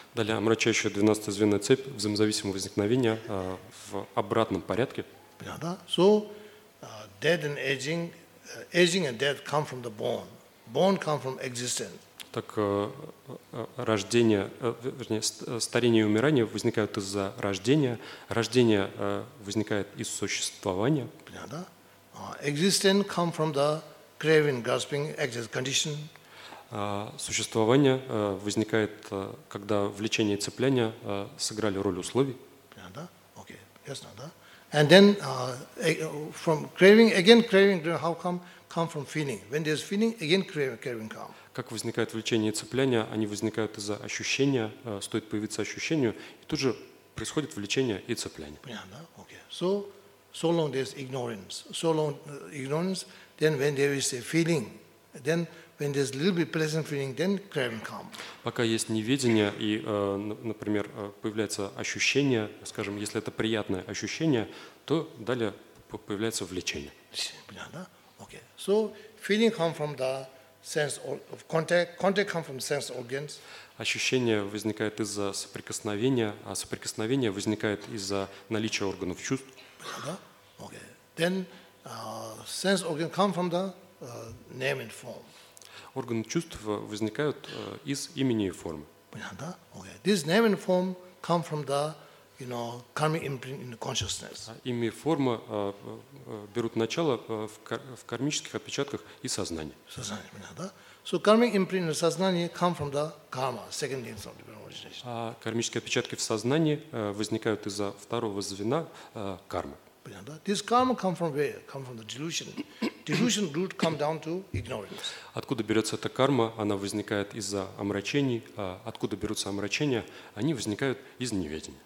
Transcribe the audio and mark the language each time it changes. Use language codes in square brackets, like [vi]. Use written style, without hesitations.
[ru] Далее омрачающая 12-звенная цепь взаимозависимого возникновения в обратном порядке. Понятно? [en] So dead and aging, aging and death come from the born. Born come from existence. [ru] Так рождение, вернее, старение и умирание возникают из-за рождения. Рождение возникает из существования. Понятно? [en] Existence come from the craving, grasping, excess condition. [ru] Существование возникает, когда влечение и цепляние сыграли роль условий. [en] Yeah, да? Okay. Yes, no, да? And then from craving, again craving, how come from feeling? When there's feeling, again craving come. [ru] Как возникает влечение и цепляние? Они возникают из-за ощущения. Стоит появиться ощущению, и тут же происходит влечение и цепляние. [en] Yeah, да? Okay. So long there's ignorance. So long ignorance. Then when there is a feeling, then when there's a little bit pleasant feeling, then craving comes. [ru] Пока есть неведение и, например, появляется ощущение, скажем, если это приятное ощущение, то далее появляется влечение. Понятно? Okay. [en] So feeling comes from the sense of contact. Contact comes from sense organs. [ru] Ощущение возникает из-за соприкосновения, а соприкосновение возникает из-за наличия органов чувств. Понятно? Okay. [en] Then sense organ come from the name and form. [ru] Органы чувств возникают из имени и формы. Понятно? Okay. [en] This name and form come from the, karmic imprint in the consciousness. [ru] Имя и форма берут начало в кармических отпечатках и сознании. Сознание, понятно? [en] So karmic imprint in the сознание come from the karma, second name from the origination. [ru] Кармические отпечатки в сознании возникают из-за второго звена кармы. [en] This karma come from where? Come from the delusion. Delusion root come down to ignorance. [ru] Откуда берется эта карма? Она возникает из-за омрачений. Откуда берутся омрачения? Они возникают из неведения.